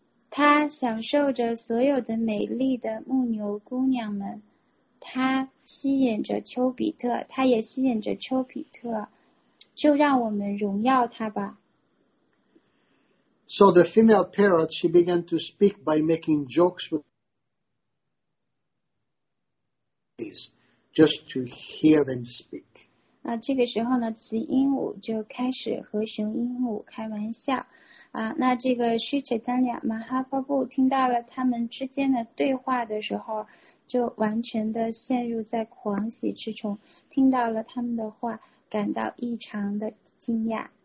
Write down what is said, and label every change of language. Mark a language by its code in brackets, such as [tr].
[zh] 他享受着所有的美丽的牧牛姑娘们，他吸引着丘比特，他也吸引着丘比特，就让我们荣耀他吧。 [en] So the female parrot, she began to speak by making jokes with these, just to hear them speak. [zh] 那这个时候呢，雌鹦鹉就开始和雄鹦鹉开玩笑。啊，那这个须且丹俩马哈巴布听到了他们之间的对话的时候，就完全的陷入在狂喜之中，听到了他们的话，感到异常的惊讶。